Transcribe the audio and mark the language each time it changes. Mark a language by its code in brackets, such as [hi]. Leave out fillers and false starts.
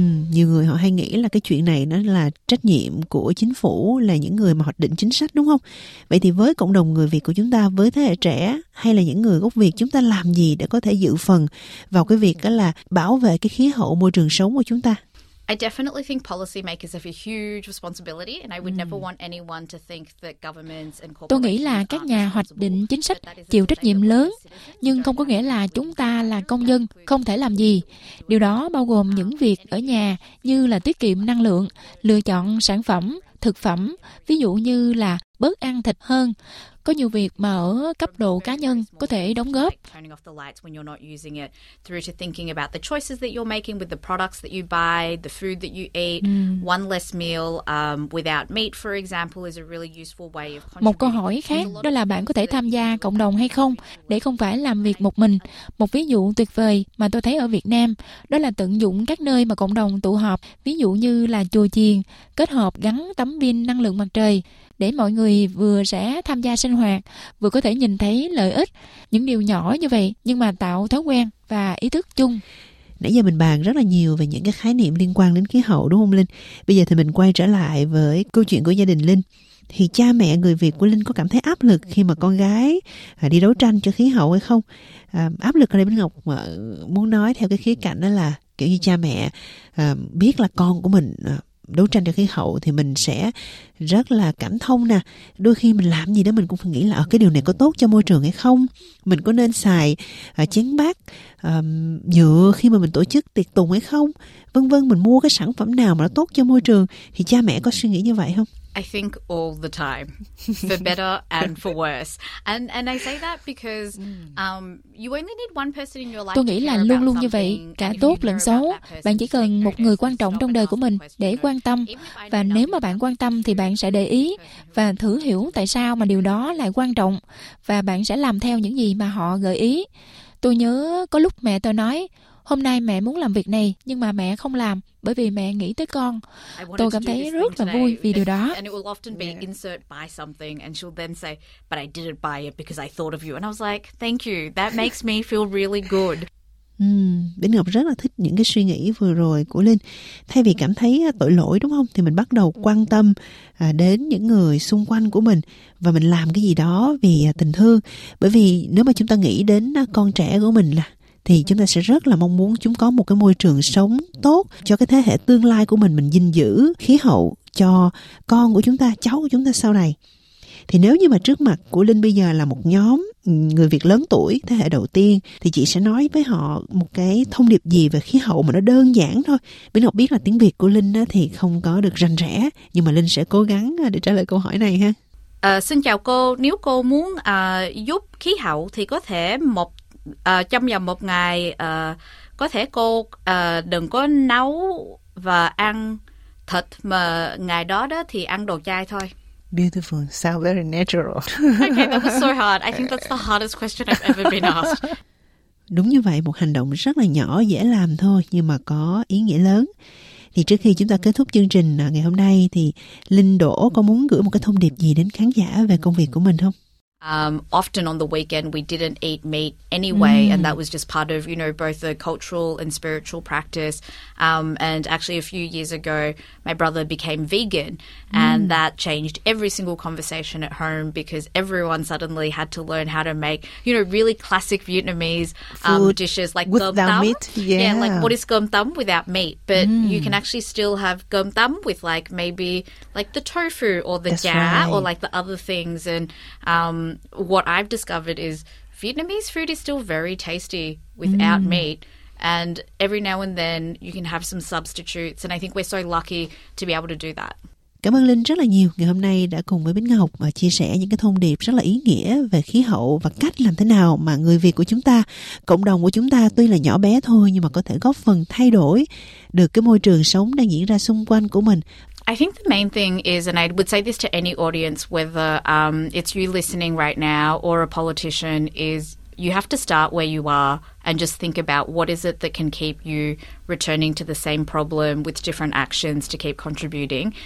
[vi] Nhiều người họ hay nghĩ là cái chuyện này nó là trách nhiệm của chính phủ, là những người mà hoạch định chính sách, đúng không? Vậy thì với cộng đồng người Việt của chúng ta, với thế hệ trẻ hay là những người gốc Việt, chúng ta làm gì để có thể dự phần vào cái việc đó là bảo vệ cái khí hậu môi trường sống của chúng ta? [en] I definitely think policymakers have a huge responsibility, and I would never want anyone to think that governments and corporations. [vi] Tôi nghĩ là các nhà hoạch định chính sách chịu trách nhiệm lớn, nhưng không có nghĩa là chúng ta là công dân không thể làm gì. Điều đó bao gồm những việc ở nhà như là tiết kiệm năng lượng, lựa chọn sản phẩm, thực phẩm, ví dụ như là bớt ăn thịt hơn. Có nhiều việc mà ở cấp độ cá nhân có thể đóng góp. Turning off the lights when you're not using it, through to thinking about the choices that you're making with the products that you buy, the food that you eat, one less meal without meat, for example, is a really useful way of. Một câu hỏi khác đó là bạn có thể tham gia cộng đồng hay không để không phải làm việc một mình. Một ví dụ tuyệt vời mà tôi thấy ở Việt Nam đó là tận dụng các nơi mà cộng đồng tụ họp, ví dụ như là chùa chiền, kết hợp gắn tấm pin năng lượng mặt trời để mọi người vừa sẽ tham gia sinh hoạt, vừa có thể nhìn thấy lợi ích. Những điều nhỏ như vậy nhưng mà tạo thói quen và ý thức chung. Nãy giờ mình bàn rất là nhiều về những cái khái niệm liên quan đến khí hậu, đúng không Linh? Bây giờ thì mình quay trở lại với câu chuyện của gia đình Linh. Thì cha mẹ người Việt của Linh có cảm thấy áp lực khi mà con gái đi đấu tranh cho khí hậu hay không? Áp lực ở đây Minh Ngọc muốn nói theo cái khía cạnh đó là kiểu như cha mẹ biết là con của mình đấu tranh cho khí hậu thì mình sẽ rất là cảm thông nè. Đôi khi mình làm gì đó mình cũng phải nghĩ là cái điều này có tốt cho môi trường hay không, mình có nên xài chén bát nhựa khi mà mình tổ chức tiệc tùng hay không, vân vân, mình mua cái sản phẩm nào mà nó tốt cho môi trường. Thì cha mẹ có suy nghĩ như vậy không? [en] I think all the time, for better and for worse. And I say that because you only need one person in your life. [vi] Tôi nghĩ là luôn luôn như vậy, cả tốt lẫn xấu. Bạn chỉ cần một người quan trọng trong đời của mình để quan tâm. Và nếu mà bạn quan tâm thì bạn sẽ để ý và thử hiểu tại sao mà điều đó lại quan trọng. Và bạn sẽ làm theo những gì mà họ gợi ý. Tôi nhớ có lúc mẹ tôi nói, hôm nay mẹ muốn làm việc này nhưng mà mẹ không làm bởi vì mẹ nghĩ tới con. Tôi cảm thấy rất là vui vì điều đó. [en] And it will often be insert buy something and she'll then say, but I didn't buy it because I thought of you. And I was like, thank you, that makes me feel really good. [vi] Bến Ngọc rất là thích những cái suy nghĩ vừa rồi của Linh. Thay vì cảm thấy tội lỗi, đúng không, thì mình bắt đầu quan tâm đến những người xung quanh của mình và mình làm cái gì đó vì tình thương. Bởi vì nếu mà chúng ta nghĩ đến con trẻ của mình là thì chúng ta sẽ rất là mong muốn chúng có một cái môi trường sống tốt cho cái thế hệ tương lai của mình. Mình gìn giữ khí hậu cho con của chúng ta, cháu của chúng ta sau này. Thì nếu như mà trước mặt của Linh bây giờ là một nhóm người Việt lớn tuổi, thế hệ đầu tiên, thì chị sẽ nói với họ một cái thông điệp gì về khí hậu mà nó đơn giản thôi. Bên học biết là tiếng Việt của Linh thì không có được rành rẽ, nhưng mà Linh sẽ cố gắng để trả lời câu hỏi này ha. Xin chào cô, nếu cô muốn giúp khí hậu thì có thể một trong vòng một ngày có thể cô đừng có nấu và ăn thịt, mà ngày đó đó thì ăn đồ chay thôi. [en] Beautiful. Sound very natural. Okay, that was so hard. I think that's the hardest question I've ever been asked. [vi] Đúng như vậy, một hành động rất là nhỏ, dễ làm thôi, nhưng mà có ý nghĩa lớn. Thì trước khi chúng ta kết thúc chương trình ngày hôm nay, thì Linh Đỗ có muốn gửi một cái thông điệp gì đến khán giả về công việc của mình không? [en] Often on the weekend, we didn't eat meat anyway, and that was just part of, you know, both the cultural and spiritual practice. And actually, a few years ago, my brother became vegan, and that changed every single conversation at home because everyone suddenly had to learn how to make, you know, really classic Vietnamese dishes like gom tham. Without meat, yeah. Yeah, like what is gom tham without meat? But you can actually still have gom tham with like maybe like the tofu or the ja or like the other things. And what I've discovered is Vietnamese food is still very tasty without meat. And every now and then you can have some substitutes. And I think we're so lucky to be able to do that. [vi] Cảm ơn Linh rất là nhiều ngày hôm nay đã cùng với Bích Ngọc và chia sẻ những cái thông điệp rất là ý nghĩa về khí hậu và cách làm thế nào mà người Việt của chúng ta, cộng đồng của chúng ta tuy là nhỏ bé thôi nhưng mà có thể góp phần thay đổi được cái môi trường sống đang diễn ra xung quanh của mình. [en] I think the main thing is, and I would say this to any audience, whether it's you listening right now or a politician, is you have to start where you are and just think about what is it that can keep you returning to the same problem with different actions to keep contributing.